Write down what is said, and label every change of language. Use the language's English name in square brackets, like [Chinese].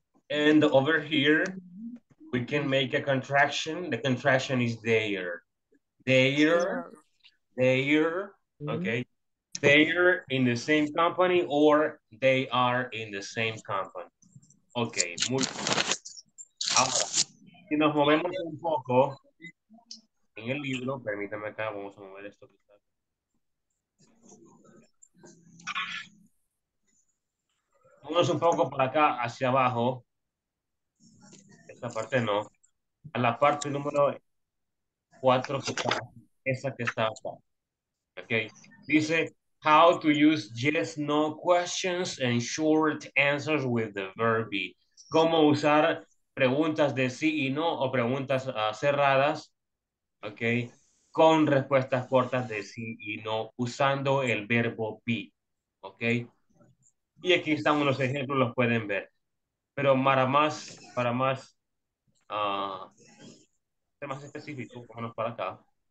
[English] And over here, we can make a contraction. The contraction is there. There. There. Okay. They are in the same company or they are in the same company. [Spanish] Okay, muy bien. Ahora, si nos movemos un poco en el libro, permítame acá, vamos a mover esto. Vamos un poco para acá, hacia abajo. Esta parte no. A la parte número 4, que está, esa que está acá. [English] Okay, dice, how to use yes, no questions and short answers with the verb. [Spanish] Cómo usar preguntas de sí y no o preguntas cerradas, okay, con respuestas cortas de sí y no usando el verbo be, okay. Y aquí están unos ejemplos, los pueden ver. Pero para más más específico, vámonos para acá.